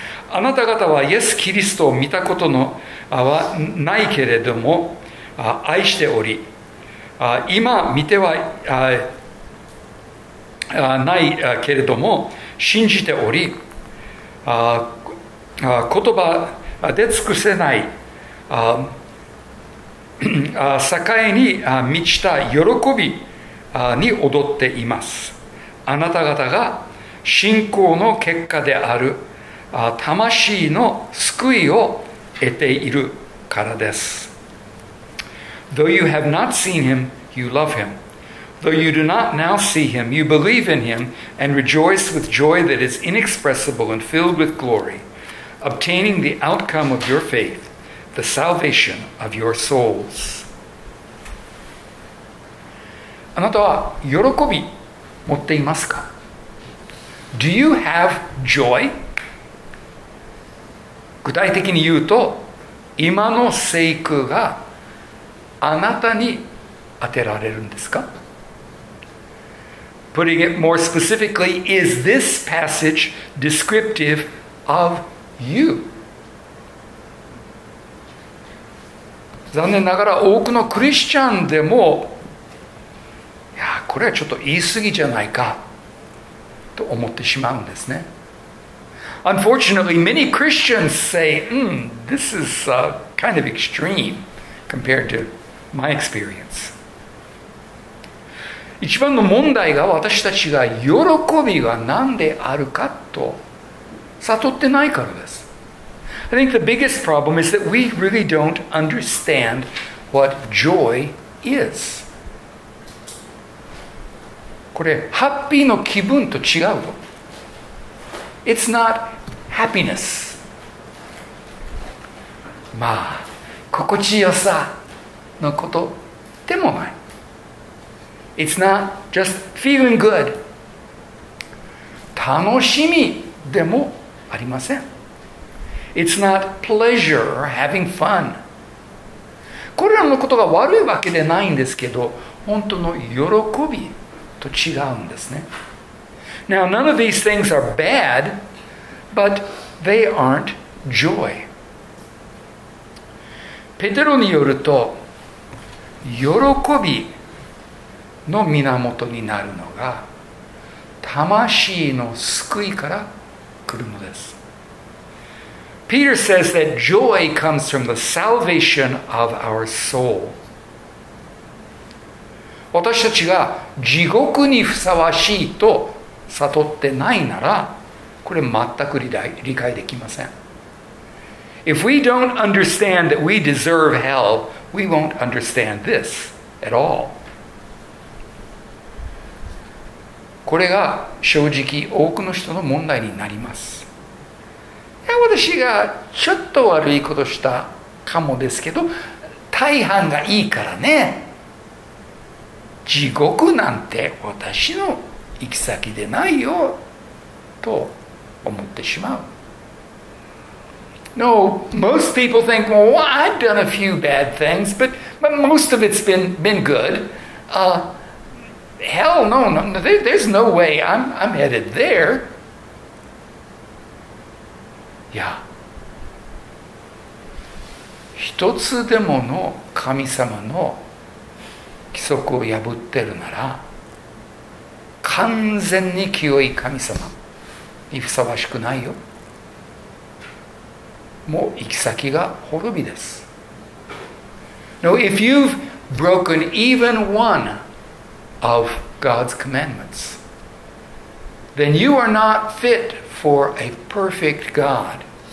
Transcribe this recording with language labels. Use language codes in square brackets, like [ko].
[ja] あなた方はイエス・キリストを見たことのはないけれども、愛しており、今見てはないけれども、信じており、言葉で尽くせない栄に満ちた喜びに踊っています。あなた方が信仰の結果である魂の救いを得ているからです。 [en] Though you have not seen him, you love him. Though you do not now see him, you believe in him and rejoice with joy that is inexpressible and filled with gloryobtaining the outcome of your faith, the salvation of your souls. [ja] あなたは喜び持っていますか? [en] Do you have joy? [ja] 具体的に言うと、今の聖句があなたに当てられるんですか? [en] Putting it more specifically, is this passage descriptive of joy? You. [ja] 残念ながら多くのクリスチャンでも、いや、これはちょっと言い過ぎじゃないかと思ってしまうんですね。 [en] Unfortunately, many Christians say, this is kind of extreme compared to my experience. [ja] 一番の問題が私たちが喜びが何であるかと悟ってないからです。 [en] I think the biggest problem is that we really don't understand what joy is. [ja] これ、ハッピーの気分と違うぞ。 [en] It's not happiness. [ja] まあ、心地よさのことでもない。 [en] It's not just feeling good. [ja] 楽しみでもありません。 [en] It's not pleasure or having fun. [ja] これらのことが悪いわけでないんですけど、本当の喜びと違うんですね。 [en] Now none of these things are bad, but they aren't joy. [ja] ペテロによると喜びの源になるのが魂の救いから来るのです。 [en] Peter says that joy comes from the salvation of our soul. [ja] 私たちが地獄にふさわしいと悟ってないなら、これ全く理解できません。 [en] If we don't understand that we deserve hell, we won't understand this at all. [ja] これが正直多くの人の問題になります。私がちょっと悪いことしたかもですけど、大半がいいからね、地獄なんて私の行き先でないよと思ってしまう。 [en] No, most people think, well, I've done a few bad things, but most of it's been good. Hell, no, there's no way I'm headed there. [ja] いや、一つでもの神様の規則を破ってるなら、完全に清い神様にふさわしくないよ。もう行き先が滅びです。 [en] Now, if you've broken even one of God's commandments, then you are not fit for a perfect God.